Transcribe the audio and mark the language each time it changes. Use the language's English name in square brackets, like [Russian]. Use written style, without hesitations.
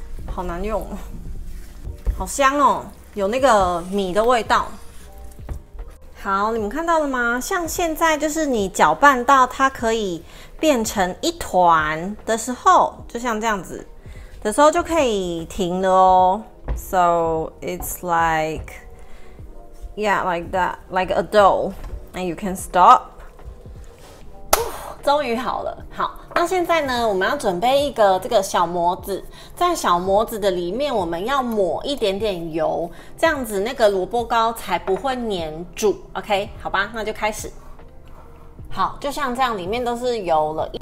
[Chinese] 好难用，好香哦，有那个米的味道。好，你们看到了吗？像现在就是你搅拌到它可以变成一团的时候，就像这样子的时候就可以停了哦。 [English] So it's like, yeah, like that, like a dough, and you can stop. [Chinese] 终于好了。好，那现在呢，我们要准备一个这个小模子，在小模子的里面，我们要抹一点点油，这样子那个萝卜糕才不会粘住。 OK， 好吧，那就开始。好，就像这样，里面都是油了。